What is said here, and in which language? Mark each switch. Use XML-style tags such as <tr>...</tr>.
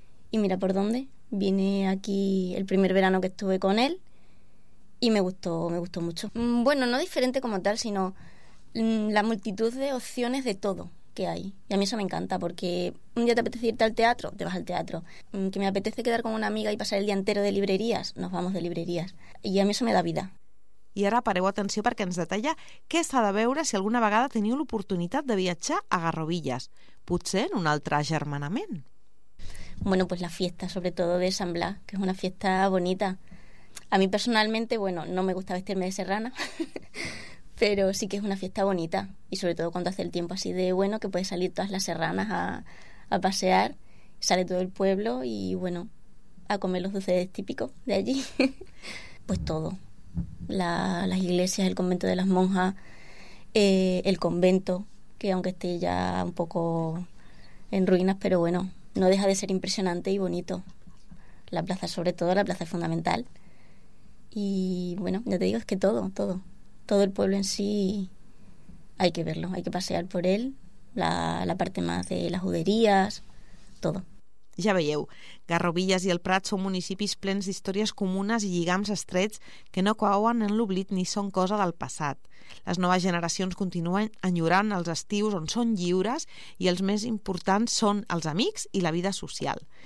<es>Y mira por dónde, vine aquí el primer verano que estuve con él y me gustó mucho. Bueno, no diferente como tal, sino la multitud de opciones de todo que hay. Y a mí eso me encanta, porque un día te apetece irte al teatro, te vas al teatro. Que me apetece quedar con una amiga y pasar el día entero de librerías, nos vamos de librerías. Y a mí eso me da vida.</es> <ca>I ara pareu atenció perquè ens detalla què s'ha de veure si alguna vegada teniu l'oportunitat de viatjar a Garrovillas, potser en un altre agermanament.</ca> <es>Bueno, pues la fiesta, sobre todo de San Blas, que es una fiesta bonita. A mí personalmente, bueno, no me gusta vestirme de serrana, pero sí que es una fiesta bonita. Y sobre todo cuando hace el tiempo así de bueno, que puedes salir todas las serranas a pasear, sale todo el pueblo y, bueno, a comer los dulces típicos de allí. Pues todo. Las iglesias, el convento de las monjas, el convento, que aunque esté ya un poco en ruinas, pero bueno, no deja de ser impresionante y bonito. La plaza, sobre todo, la plaza fundamental. Y bueno, ya te digo, es que todo el pueblo en sí hay que verlo, hay que pasear por él, la parte más de las juderías, todo.</es> <ca>Ja veieu, Garrovillas i el Prat són municipis plens d'històries comunes i lligams estrets que no cauen en l'oblit ni són cosa del passat. Les noves generacions continuen enyorant els estius on són lliures i els més importants són els amics i la vida social.</ca>